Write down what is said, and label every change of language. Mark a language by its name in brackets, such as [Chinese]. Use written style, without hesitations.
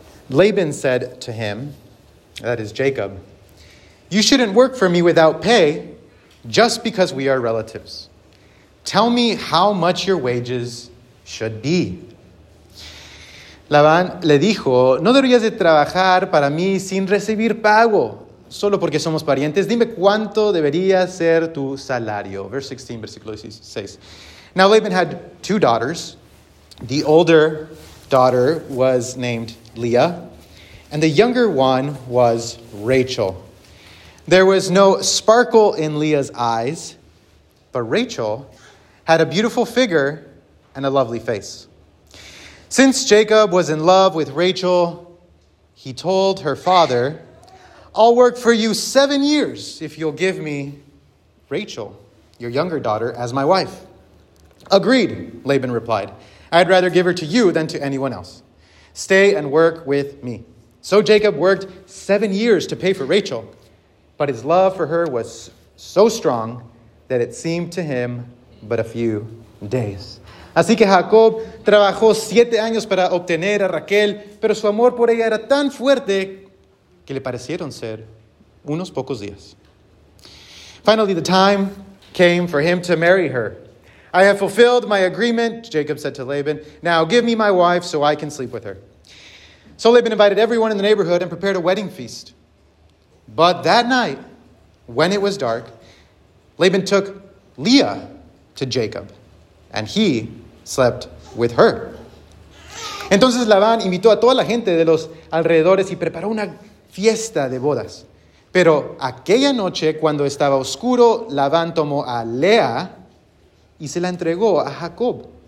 [English] Laban said to him, that is Jacob, "You shouldn't work for me without pay, just because we are relatives. Tell me how much your wages should be." [Spanish] Labán le dijo, "No deberías de trabajar para mí sin recibir pago, solo porque somos parientes. Dime cuánto debería ser tu salario." [English] Verse 16, [Spanish] versículo 16. [English] Now Laban had two daughters. The older daughter was named Leah, and the younger one was Rachel. There was no sparkle in Leah's eyes, but Rachel had a beautiful figure and a lovely face. Since Jacob was in love with Rachel, he told her father, "I'll work for you 7 years if you'll give me Rachel, your younger daughter, as my wife." "Agreed," Laban replied. "I'd rather give her to you than to anyone else. Stay and work with me." So Jacob worked 7 years to pay for Rachel, but his love for her was so strong that it seemed to him but a few days. [Spanish] Así que Jacob trabajó 7 años para obtener a Raquel, pero su amor por ella era tan fuerte que le parecieron ser unos pocos días. [English] Finally, the time came for him to marry her. "I have fulfilled my agreement," Jacob said to Laban. "Now give me my wife so I can sleep with her." So Laban invited everyone in the neighborhood and prepared a wedding feast. But that night, when it was dark, Laban took Leah to Jacob, and he slept with her. [Spanish] Entonces Labán invitó a toda la gente de los alrededores y preparó una fiesta de bodas. Pero aquella noche, cuando estaba oscuro, Labán tomó a Lea y se la entregó a Jacob.